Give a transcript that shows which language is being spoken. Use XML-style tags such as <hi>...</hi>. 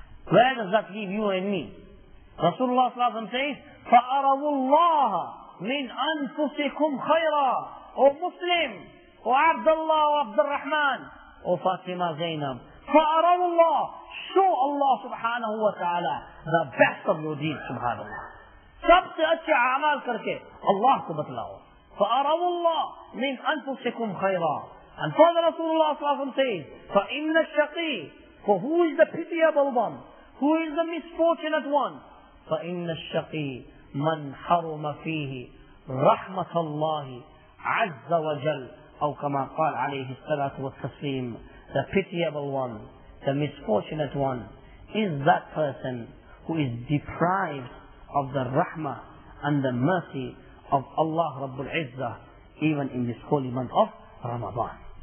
<en>Where does that leave you and me? Rasulullah sallallahu alayhi wa sallam says,</en> <ar>فَأَرَوُ اللَّهَ مِنْ أَنفُسِكُمْ خَيْرًا</ar> <en>O Muslim, O Abdullah, O Abdurrahman, O Fatima Zainab,</en> <ar>فَأَرَوُ اللَّهَ</ar> <en>Show Allah subhanahu wa ta'ala the best of your deeds, subhanallah.</en> <ur>سب سے اچھے عمال کر کے اللہ کو بتلاو.</ur> <ar>فَأَرَوُ اللَّهَ مِنْ أَنفُسِكُمْ خَيْرًا</ar> <en>And Father Rasulullah sallallahu alayhi wa sallam says,</en> <ar>فَإِنَّ الشَّقِيِّ</ar> <en>For who is the pitiable one? Who is the misfortunate one?</en> <ar>فَإِنَّ الشَّقِيِّ مَنْ حَرُمَ فِيهِ رَحْمَةَ اللَّهِ عَزَّ وَجَلْ أو كما قال عليه الصلاة والتسليم</ar> <en>The pitiable one, the misfortunate one is that person who is deprived of the rahmah and the mercy of Allah Rabbul Izzah even in this holy month of Ramadan.</en>